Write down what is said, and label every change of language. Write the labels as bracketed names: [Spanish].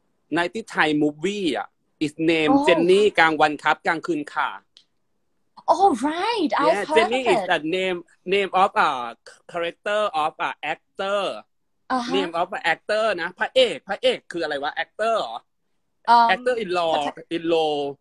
[English] 90 Thai movie is named Jenny กลางวันครับกลางคืนค่ะ Oh right, I've heard Jenny of it. Jenny is the name of a character of a actor. Uh-huh. Name of a actor นะ [Thai] พระเอกพระเอกคืออะไรวะ [English] actor actor in law in law